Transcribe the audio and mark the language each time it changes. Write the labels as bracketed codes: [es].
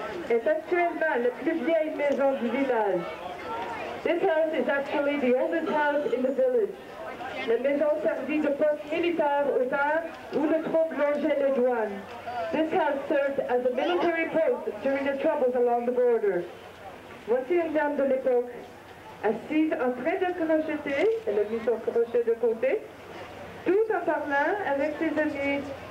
[fr] Est actuellement la plus vieille maison du village. [en] This house is actually the oldest house in the village. [fr] La maison servit de poste militaire aux temps où le troupe longeait les douanes. [en] This house served as a military post during the troubles along the border. [fr] Voici une dame de l'époque, assise en train de crocheter, elle a mis son crochet de côté, tout en parlant avec ses amis.